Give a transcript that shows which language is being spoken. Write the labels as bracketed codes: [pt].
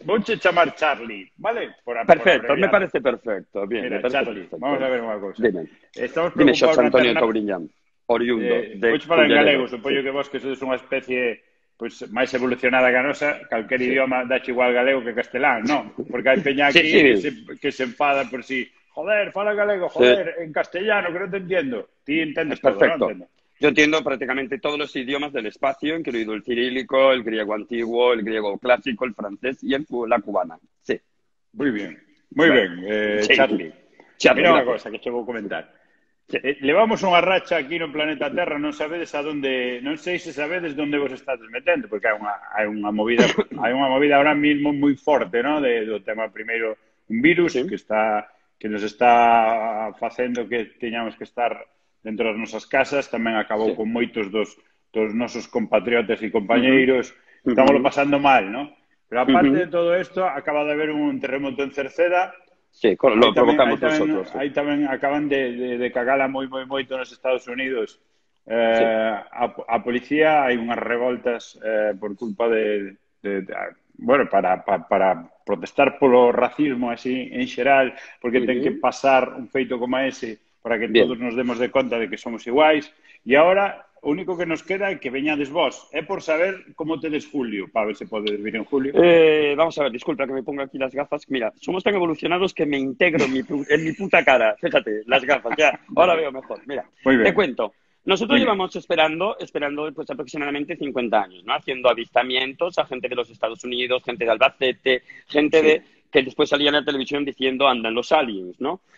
[es] Voy a llamar Charlie, ¿vale? Perfecto, me parece perfecto. Bien, mira, parece Charlie, perfecto. Vamos a ver una cosa. Dime. Estamos preocupados. Dime, Antonio Tourignan, oriundo de Culleredo. Voy a hablar en galego, supongo que vos, que sois una especie... [gl] Pues máis evolucionada que a nosa, calquer idioma dache igual galego que castelán, non? Porque hai peña aquí que se enfada por si, joder, fala galego, joder, [es] en castellano, [gl] que non te entendo. Ti entendes todo, non entendo. [es] Yo entiendo prácticamente todos los idiomas del espacio, incluido el cirílico, el griego antiguo, el griego clásico, el francés y la cubana, sí. Muy bien, Charlie. [gl] Mira unha cosa que che vou comentar. Levamos unha racha aquí no planeta Terra, non sei se sabedes onde vos estades metendo, porque hai unha movida ahora mesmo moi forte, ¿no? Do tema primeiro un virus que nos está facendo que teñamos que estar dentro das nosas casas, tamén acabou sí. con moitos dos nosos compatriotas e compañeiros, estamos pasando mal, ¿no? Pero aparte de todo isto, acaba de haber un terremoto en Cerceda. [es] Sí, lo provocamos nosotros. [gl] Aí tamén acaban de cagala moi, moi, moi todos os Estados Unidos. A policía, hai unhas revoltas por culpa bueno, para protestar polo racismo así en xeral, porque ten que pasar un feito como ese para que todos nos demos de conta de que somos iguais. E agora, o único que nos queda é que veñades vos. É por saber como tedes julio, para ver se podedes vir en julio. [es] Vamos a ver, disculpa que me ponga aquí las gafas. Mira, somos tan evolucionados que me integro en mi puta cara. Fíjate, las gafas, ya. Ahora veo mejor. Mira, te cuento. Nosotros llevamos esperando pues aproximadamente 50 años, ¿no? Haciendo avistamientos a gente de los Estados Unidos, gente de Albacete, gente de que después salía en la televisión diciendo andan los aliens, ¿no?